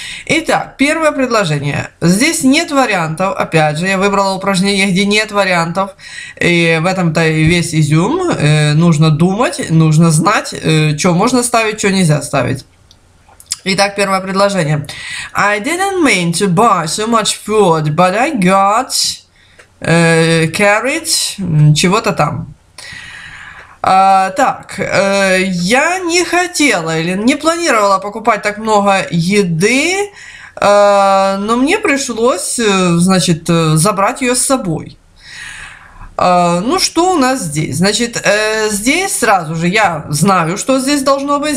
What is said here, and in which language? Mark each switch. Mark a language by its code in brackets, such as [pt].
[ru] Итак, первое предложение. Здесь нет вариантов, опять же, я выбрала упражнение, где нет вариантов. И в этом-то и весь изюм. Нужно думать, нужно знать, что можно ставить, что нельзя ставить. Итак, первое предложение. [en] I didn't mean to buy so much food, but I got carried [ru] чего-то там. Я не хотела или не планировала покупать так много еды, но мне пришлось, значит, забрать ее с собой. Ну, что у нас здесь? Значит, здесь сразу же я знаю, что здесь должно быть.